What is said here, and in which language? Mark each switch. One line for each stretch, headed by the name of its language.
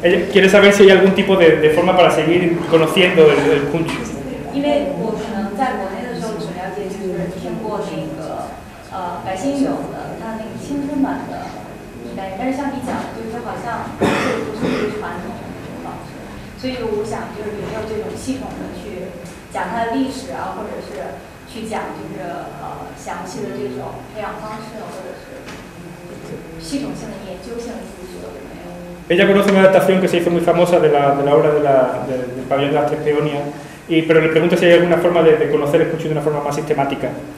Spanish: Quiere saber si hay algún tipo de forma para seguir conociendo el kunchu.
Chinese: 因为我可能在国内的时候只了解就是听过那个白先勇的他那个青春版的那个昆曲，但是相比讲，就是他好像不是一个传统的方式，所以我想就是有没有这种系统的去讲他的历史啊，或者是。
Spanish: Ella conoce una adaptación que se hizo muy famosa de la obra del pabellón de las tres peonias, pero le pregunto si hay alguna forma de conocer el kunchu de una forma más sistemática.